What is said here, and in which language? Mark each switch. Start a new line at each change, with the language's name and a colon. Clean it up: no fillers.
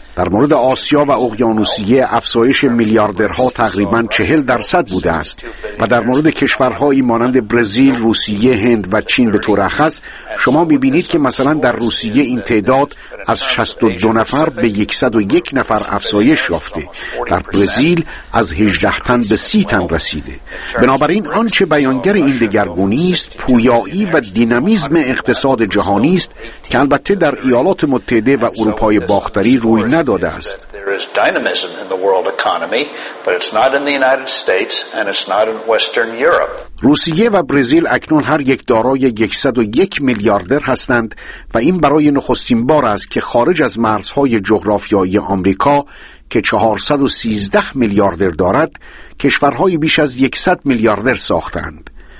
Persian: در مورد آسیا و اقیانوسیه افزایش میلیاردرها تقریبا 40% بوده است و در مورد کشورهایی مانند برزیل، روسیه، هند و چین به طور خاص شما می‌بینید که مثلا در روسیه این تعداد از 62 نفر به 101 نفر افزایش یافته، در برزیل از 18 تن به 30 تن رسیده. بنابراین آنچه بیانگر این دگرگونی است پویایی و دینامیزم اقتصاد جهانی است که البته در ایالات متحده و اروپای باختری روی نداده است.
English: There is dynamism in the world economy, but it's not in the United States and it's not in Western Europe.
Persian: روسیه و برزیل اکنون هر یک دارای 101 میلیاردر هستند و این برای نخستین بار است که خارج از مرزهای جغرافیایی آمریکا که 413 میلیاردر دارد، کشورهای بیش از 100 میلیاردر ساختند.